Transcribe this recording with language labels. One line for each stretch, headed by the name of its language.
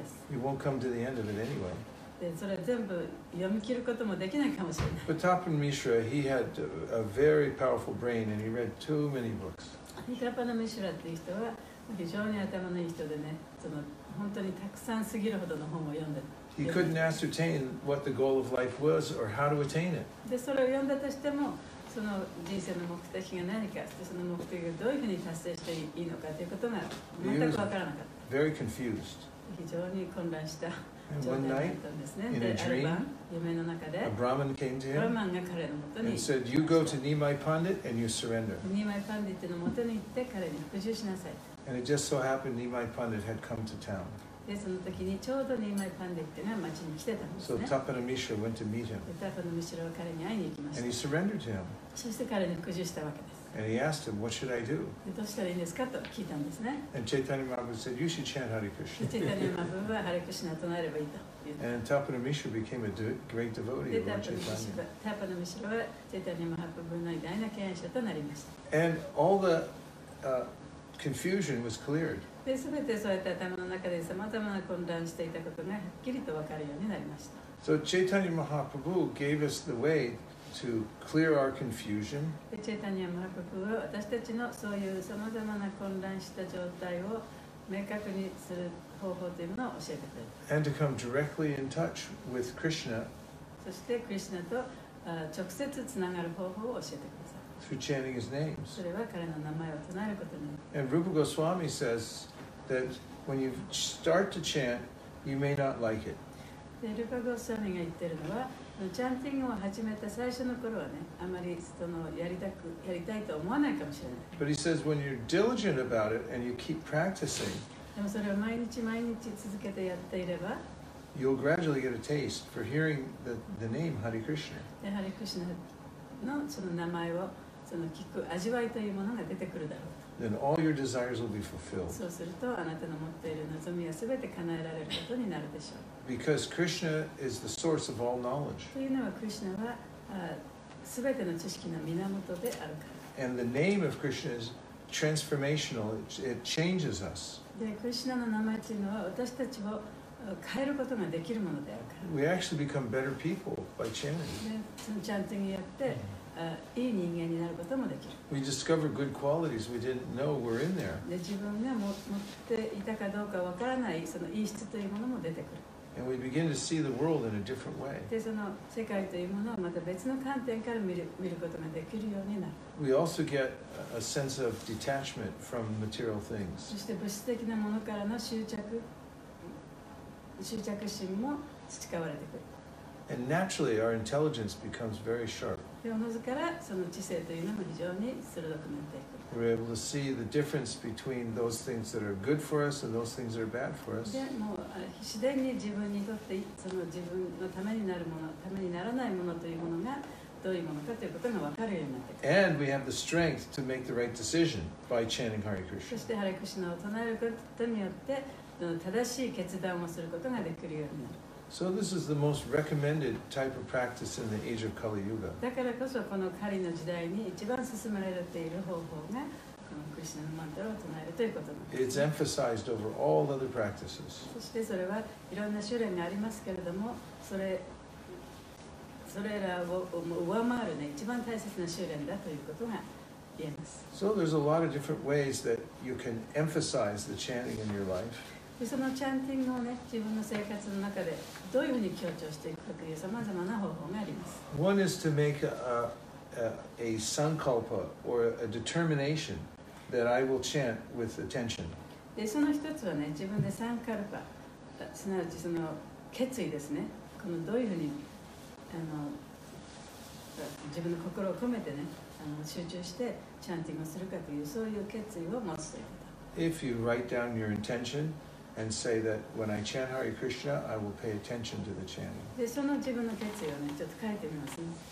English: You won't come to the end of it anyway. But Tapana Mishra, he had a very powerful brain and he read too many books.
Japanese: Tapana Mishra という人は非常に頭のいい人でね、その本当にたくさんすぎるほどの本を読んで。
English: He couldn't ascertain what the goal of life was or how to attain it.
Japanese: で、それを読んだとしても、その人生の目的が何か、その目的がどういうふうに達成していいのかということが全くわからなかった。
English: Very confused.
Japanese: 非常に混乱した状態だったんですね。
English: And one night, in a dream,
Japanese: 夢の中で、
English: a Brahmin came to him.
Japanese: ブラーマンが彼のもとに、
English: and said, "You go to Nimai Pandit and you surrender."
Japanese: Nimai Pandit のもとに行って彼に服従しなさい。
English: And it just so happened Nimai Pandit had come to town.
Japanese: でその時にちょうどニーマイパンデっていうのは町に来てたんですね。
English: So Tapana Mishra went to meet him.
Japanese: Tapana Mishra は彼に会いに行きました。
English: And he surrendered to him.
Japanese: そして彼に服従したわけです。
English: And he asked him, "What should I do?"
Japanese: でどうしたらいいんですかと聞いたんですね。
English: And Chaitanya Mahaprabhu said, "You should chant Hare Krishna."
Japanese: Chaitanya Mahaprabhu はハレクリシュナを唱えればいいと。
English: And Tapana Mishra became a great devotee of
Japanese: Chaitanya. Tapana Mishra はChaitanya Mahaprabhuの偉大な敬愛者となりました。
English: And all theconfusion was cleared.
Japanese: で、すべてそうやって頭の中でさまざまな混乱していたことがはっきりと分かるようになりました。
English: So Chaitanya Mahaprabhu gave us the way to clear our confusion.
Japanese: で、Chaitanya Mahaprabhu は私たちのそういうさまざまな混乱した状態を明確にする方法というものを教えてくれた。
English: And to come directly in touch with Krishna.
Japanese: そして、Krishna と直接つながる方法を教えてくれた。
English: Through chanting his names. And Rupa Goswami says that when you start to chant, you may not like it.
Japanese: Rupa Goswami が言ってるのは、chanting を始めた最初の頃はね、あまりそのやりたいと思わないかもしれない。
English: But he says when you're diligent about it and you keep practicing,
Japanese: でもそれを毎日毎日続けてやっていれば、
English: you'll gradually get a taste for hearing the name Hare Krishna.
Japanese: で、Hare Krishna のその名前をその聞く味わいというものが出てくるだろうと。
English: Then all your desires will be fulfilled.
Japanese: そうすると、あなたの持っている望みはすべて叶えられることになるでしょう。
English: Because Krishna is the source of all knowledge.
Japanese: というのは、Krishna はすべての知識の源であるから。
English: And the name of Krishna is transformational. It changes us.
Japanese: で、Krishna の名前というのは私たちを変えることができるものであるから。
English: We actually become better people by chanting.
Japanese: で、そのチャンティングやって。 Mm-hmm. いい人間になることもできる。
English: We discover good qualities we didn't know were in there.
Japanese: で、自分が持っていたかどうかわからないそのいい質というものも出てくる。
English: And we begin to see the world in a different way.
Japanese: で、その世界というものをまた別の観点から見ることができるようになる。
English: We also get a sense of detachment from material things.
Japanese: そして物質的なものからの執着心も培われてくる。
English: And naturally, our intelligence becomes very sharp. We're able to see the difference between those things that are good for us and those things that are bad for us. And we have the strength to make the right decision by chanting Hare Krishna. So this is the most recommended type of practice in the age of Kali Yuga.
Japanese: だからこそこのカリの時代に一番勧められている方法がこのクリシュナのマントラを唱えるということなんです。
English: It's emphasized over all other practices.
Japanese: そしてそれはいろんな種類がありますけれども、それらを上回るね、一番大切な種類だということが言えます。
English: So there's a lot of different ways that you can emphasize the chanting in your life.
Japanese: でそのチャンティングをね、自分の生活の中でどういうふうに強調していくかというさまざまな方法があります。
English: One is to make a sankalpa or a determination that I will chant with attention.
Japanese: でその一つはね、自分でサンカルパ、すなわちその決意ですね。このどういうふうにあの自分の心を込めてね、あの集中してチャンティングをするかというそういう決意を持つということ。
English: If you write down your intention and say that when I chant Hare Krishna, I will pay attention to the chanting.
Japanese: でその自分の決意をね、ちょっと書いてみますね。